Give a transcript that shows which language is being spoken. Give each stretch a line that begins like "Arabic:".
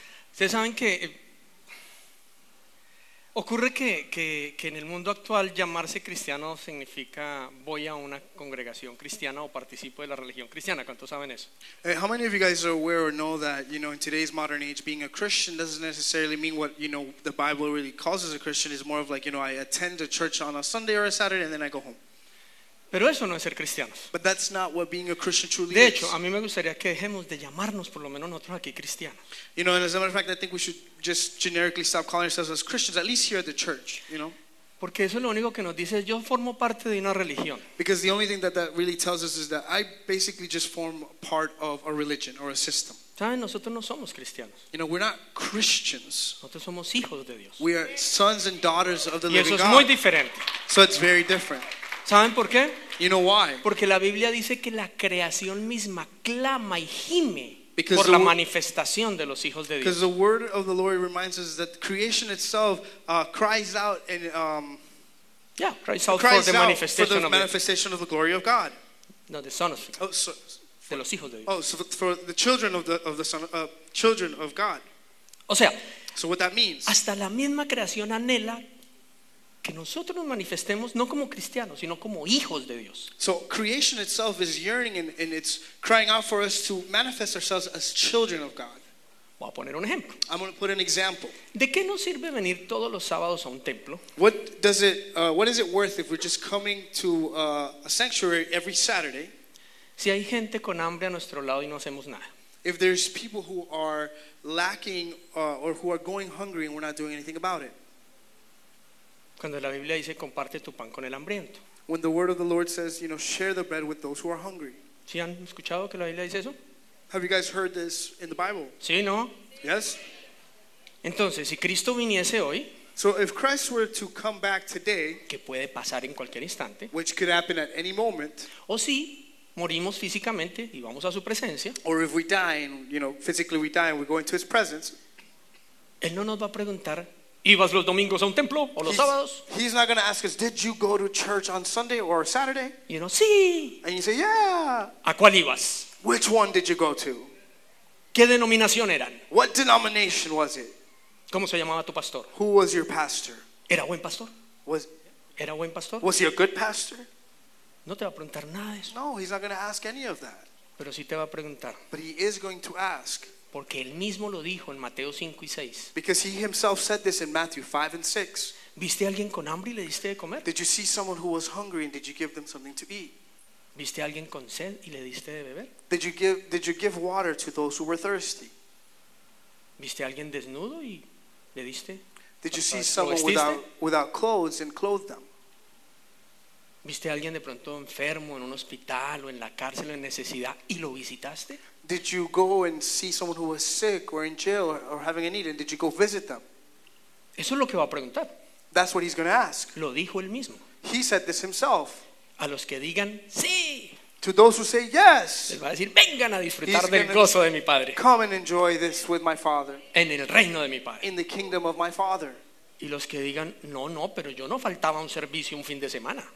Spanish: Ustedes saben que ocurre que en el mundo actual llamarse cristiano significa voy a una congregación cristiana o participo de la religión cristiana. ¿Cuántos saben eso?
English: Hey, how many of you guys are aware or know that, you know, in today's modern age, being a Christian doesn't necessarily mean what, you know, the Bible really calls as a Christian. It's more of like, you know, I attend a church on a Sunday or a Saturday and then I go home.
Spanish: Pero eso no es ser cristianos.
English: But that's not what being a Christian truly is.
Spanish: De hecho, a mí me gustaría que dejemos de llamarnos por lo menos nosotros aquí cristianos.
English: You know, and as a matter of fact, I think we should just generically stop calling ourselves as Christians, at least here at the church, you know?
Spanish: Porque eso es lo único que nos dice, yo formo parte de una religión.
English: Because the only thing that that really tells us is that I basically just form part of a religion or a system.
Spanish: ¿Saben? Nosotros no somos cristianos.
English: You know, we're not Christians.
Spanish: Nosotros somos hijos de Dios.
English: We are sons and daughters of the living God.
Spanish: Y eso es muy diferente.
English: So it's very different.
Spanish: ¿Saben por qué?
English: You know why?
Spanish: Porque la Biblia dice que la creación misma clama y gime por la manifestación de los hijos de Dios.
English: Because the word of the Lord reminds us that creation itself cries out and cries out for the manifestation of the glory of God. No, the son of God. Oh, so,
Spanish: de los hijos de Dios.
English: Oh, so for the children of the son children of God.
Spanish: O sea,
English: so what that means?
Spanish: Hasta la misma creación anhela que nosotros nos manifestemos no como cristianos sino como hijos de Dios.
English: So creation itself is yearning and it's crying out for us to manifest ourselves as children of God.
Spanish: Voy a poner un ejemplo.
English: I'm going to put an example.
Spanish: ¿De qué nos sirve venir todos los sábados a un templo?
English: What does it what is it worth if we're just coming to a sanctuary every Saturday?
Spanish: Si hay gente con hambre a nuestro lado y no hacemos nada.
English: If there's people who are lacking or who are going hungry and we're not doing anything about it.
Spanish: Cuando la Biblia dice comparte tu pan con el hambriento.
English: When the word of the Lord says, you know, share the bread with those who are hungry.
Spanish: ¿Sí han escuchado que la Biblia dice eso?
English: Have you guys heard this in the Bible?
Spanish: Sí, ¿no?
English: Yes.
Spanish: Entonces, si Cristo viniese hoy,
English: so if Christ were to come back today,
Spanish: que puede pasar en cualquier instante,
English: which could happen at any moment,
Spanish: o si morimos físicamente y vamos a su presencia,
English: or if we die and, you know, physically we die and we go into his presence,
Spanish: él no nos va a preguntar, ¿ibas los domingos a un templo o los sábados?
English: He's not going to ask us, did you go to church on Sunday or Saturday? You know, sí. And you say, yeah.
Spanish: ¿A cuál ibas?
English: Which one did you go to?
Spanish: ¿Qué denominación eran?
English: What denomination was it?
Spanish: ¿Cómo se llamaba tu pastor?
English: Who was your pastor?
Spanish: ¿Era buen pastor?
English: Was he a good pastor?
Spanish: No te va a preguntar nada de eso.
English: No, he's not going to ask any of that.
Spanish: Pero sí te va a preguntar.
English: But he is going to ask.
Spanish: Porque él mismo lo dijo en Mateo 5 y 6.
English: Because he himself said this in Matthew 5 and 6.
Spanish: ¿Viste a alguien con hambre y le diste de comer?
English: Did you see someone who was hungry and did you give them something to eat?
Spanish: ¿Viste a alguien con sed y le diste de beber?
English: Did you give water to those who were thirsty?
Spanish: ¿Viste a alguien desnudo y le diste?
English: Did you see someone without clothes and clothed them?
Spanish: ¿Viste a alguien de pronto enfermo en un hospital o en la cárcel o en necesidad y lo visitaste?
English: Did you go and see someone who was sick or in jail or having a need and did you go visit them?
Spanish: Eso es lo que va a preguntar.
English: That's what he's going to ask.
Spanish: Lo dijo él mismo.
English: He said this himself.
Spanish: A los que digan, sí.
English: To those who say yes.
Spanish: Les va a decir, vengan a disfrutar del gozo de mi padre.
English: Come and enjoy this with my father.
Spanish: En el reino de mi padre.
English: In the kingdom of my father.
Spanish: Y los que digan, no, no, pero yo no faltaba un servicio un fin de semana.